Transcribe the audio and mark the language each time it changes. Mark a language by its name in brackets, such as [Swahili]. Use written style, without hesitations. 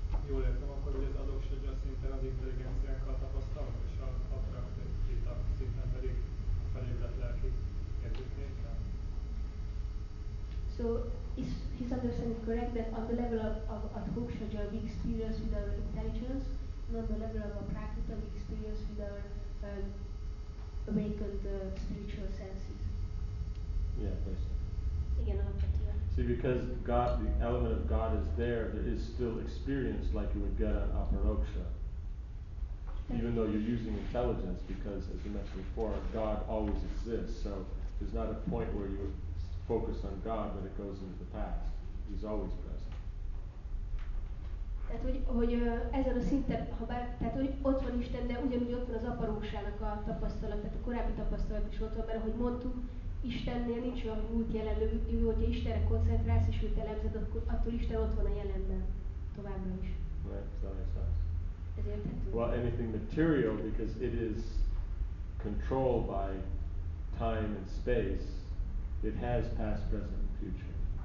[Hungarian] Jól értem akkor, hogy az adósodja szinten az intelligenciákkal tapasztalunk, és az attraktív szinten pedig a felébredt lelki érzékenységgel. [English] So, his understanding is correct that on the level of adhokshaja we experience with our intelligence, and on the level of a prakrita we experience with our awakened spiritual senses. Yeah, basically. [Hungarian] Igen, alapvetően. [English] See, because God, the element of God is there, there is still experience like you would get on aparoksha. Even though you're using intelligence, because as we mentioned before, God always exists, so there's not a point where you would focus on God, but it goes into the past. He's always present. [Hungarian] Tehát, hogy ezen a szinten, tehát, hogy ott van Isten, de ugyanúgy ott van az aparóksának a tapasztalat, tehát a korábbi tapasztalat is ott van, mert ahogy mondtuk, Istennél nincs olyan múlt jelen, hogyha Istenre koncentrálsz és őt elemzed, akkor attól Isten ott van a jelenben, továbbra is. [English] Right, that makes sense. [Hungarian] Ez érthető. [English] Well, anything material, because it is controlled by time and space, it has past, present, and future.